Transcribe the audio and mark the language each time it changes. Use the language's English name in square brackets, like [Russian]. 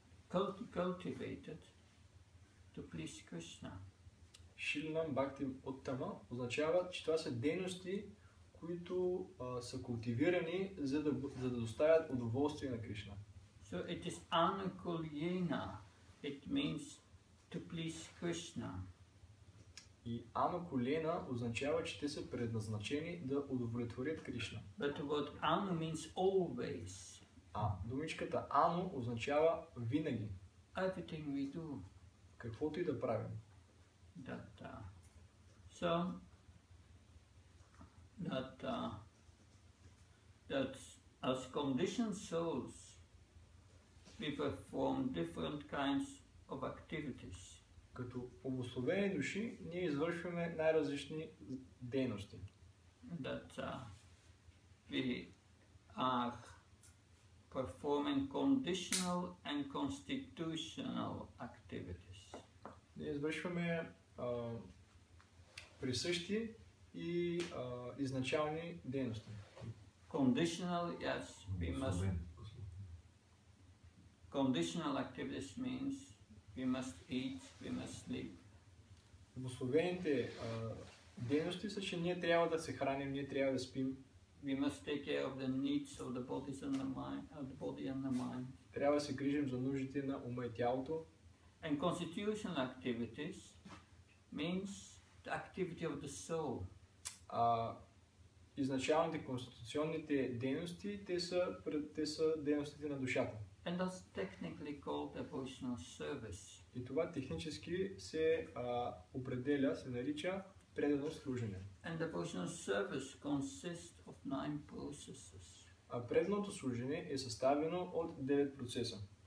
[English] Cultivated to please Krishna. [Bulgarian] Шилинам бхакти уттама означава, че това са дейности, които са култивирани, за да доставят удоволствие на Кришна. [English] So it is anukulyena. It means to please Krishna. [Bulgarian] И анукулена означава, че те са предназначени да удовлетворят Кришна. [English] But what anu means always. [Bulgarian] А думичката ану означава винаги. [English] Everything we do. [Bulgarian] Каквото и да правим. [English] That, so, that, that as conditioned souls, we perform different kinds of activities. [Bulgarian] Като обусловени души, ние извършваме най-различни дейности. [English] That, we are performing conditional and constitutional activities. [Bulgarian] Ние извършваме присъщи и изначални дейности. [English] Conditional, yes, we must. Conditional activities means we must eat, we must sleep. [Bulgarian] Обусловените дейности са, че ние трябва да се храним, ние трябва да спим. [English] We must take care of the needs of the body and the mind, of the body and the mind. [Bulgarian] Трябва да се грижим за нуждите на ума и тялото. [English] And constitutional activities means the activity of the soul. [Bulgarian] Изначалните конституционните дейности, те са дейностите на душата. [English] And that's technically called devotional service. [Bulgarian] И това технически се определя, се нарича предано служене. [English] And devotional service consists of 9 processes. [Bulgarian] А предното служене е съставено от 9 процеса.